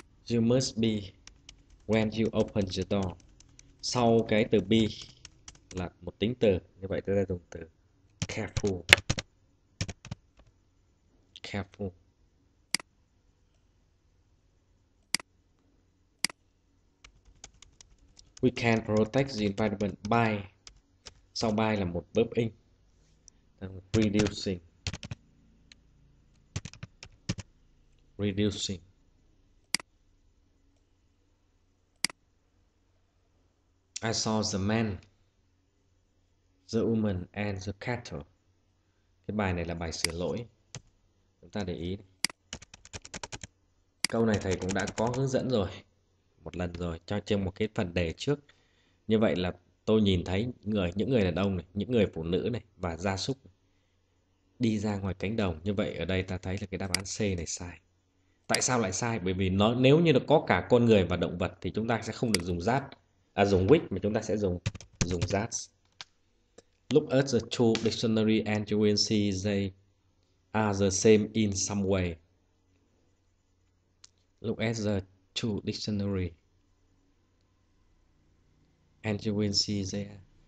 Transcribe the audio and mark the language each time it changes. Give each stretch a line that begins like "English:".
English: You must be when you open the door.
Vietnamese: Sau cái từ be là một tính từ, như vậy tôi sẽ dùng từ careful.
English: Careful. We can protect the environment by.
Vietnamese: Sau by là một verb in.
English: Reducing. Reducing. I saw the man, the woman and the cattle.
Vietnamese: Cái bài này là bài sửa lỗi. Chúng ta để ý. Câu này thầy cũng đã có hướng dẫn rồi. Một lần rồi cho trên một cái phần đề trước. Như vậy là tôi nhìn thấy những người đàn ông này, những người phụ nữ này và gia súc đi ra ngoài cánh đồng. Như vậy ở đây ta thấy là cái đáp án C này sai. Tại sao lại sai? Bởi vì nó nếu như nó có cả con người và động vật thì chúng ta sẽ không được dùng that, à dùng which, mà chúng ta sẽ dùng dùng that.
English: Look at the two dictionary and you will see they are the same in some way. Look at the two dictionary and you will see they are.